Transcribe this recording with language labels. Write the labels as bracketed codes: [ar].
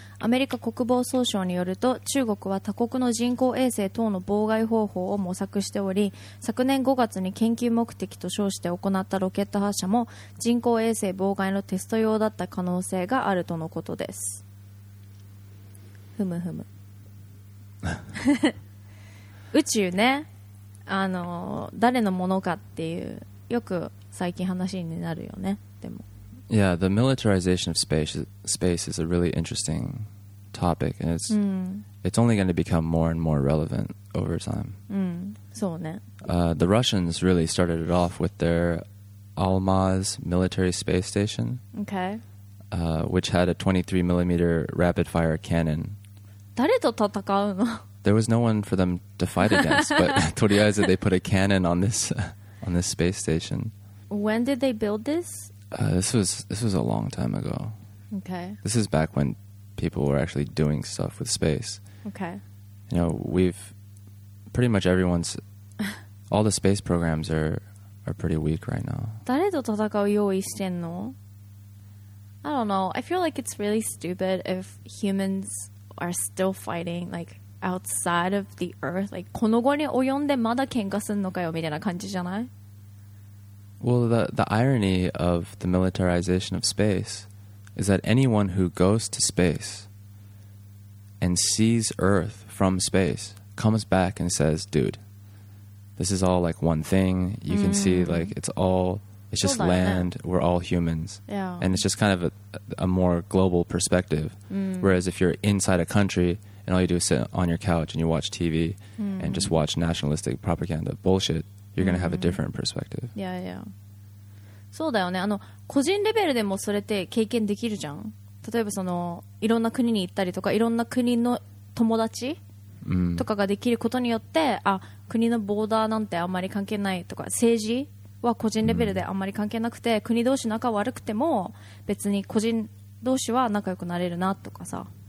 [ja] アメリカ国防総省によると、中国は他国の人工衛星等の妨害方法を模索しており、昨年5月に研究目的と称して行ったロケット発射も人工衛星妨害のテスト用だった可能性があるとのことです。ふむふむ。宇宙ね。あの誰のものかっていうよく最近話になるよね。でも [en] Yeah, the militarization of space is a really interesting topic and it's、 [ja] うん、 [en] it's only going to become more and more relevant over time、 [ja] うん、そうね、 [en] The Russians really started it off with their Almaz military space station、 okay. Which had a 23mm rapid fire cannon. [ja] 誰と戦うの？ [en] There was no one for them to fight against, but [ja] とりあえず [en] they put a cannon on this, on this space station. When did they build this? This was a long time ago. Okay. This is back when people were actually doing stuff with space. Okay. You know, we've pretty much everyone's, all the space programs are pretty weak right now. [ja] 誰と戦う用意してんの? [en] I don't know. I feel like it's really stupid if humans are still fighting, like,outside of the earth, like [ja] この後に及んでまだ喧嘩すんのかよみたいな感じじゃない? [en] Well, the irony of the militarization of space is that anyone who goes to space and sees Earth from space comes back and says, dude, this is all like one thing. You can、mm-hmm. see like it's just land. We're all humans. Yeah. And it's just kind of a more global perspective.、 Mm. Whereas if you're inside a country,and all you do is sit on your couch and you watch TV、mm. and just watch nationalistic propaganda bullshit, you're going to have a different perspective. Yeah, yeah. [ja] そうだよね。あの、個人レベルでもそれって経験できるじゃん。例えばその、いろんな国に行ったりとか、いろんな国の友達とかができることによって、あ、国のボーダーなんてあんまり関係ないとか、政治は個人レベルであんまり関係なくて、国同士仲悪くても別に個人同士は仲良くなれるなとかさ。